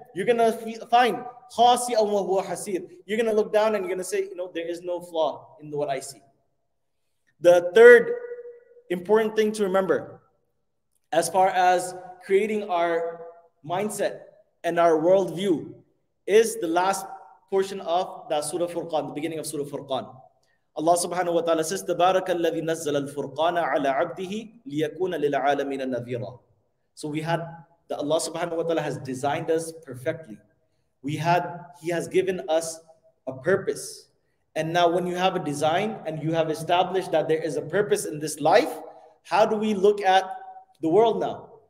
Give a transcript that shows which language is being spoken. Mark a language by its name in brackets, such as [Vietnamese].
[English] You're going to find [Arabic] خَاسِئًا وَهُوَ حَسِيرٌ. [English] You're going to look down and you're going to say, you know, there is no flaw in what I see. The third important thing to remember as far as creating our mindset and our worldview is the last portion of that Surah Furqan, the beginning of Surah Furqan. Allah subhanahu wa ta'ala says, [Arabic] تَبَارَكَ الَّذِي نَزَّلَ الْفُرْقَانَ عَلَى عَبْدِهِ لِيَكُونَ لِلْعَالَمِينَ نَذِيرًا. [English] So we had that Allah subhanahu wa ta'ala has designed us perfectly. He has given us a purpose. And now when you have a design and you have established that there is a purpose in this life, how do we look at the world now?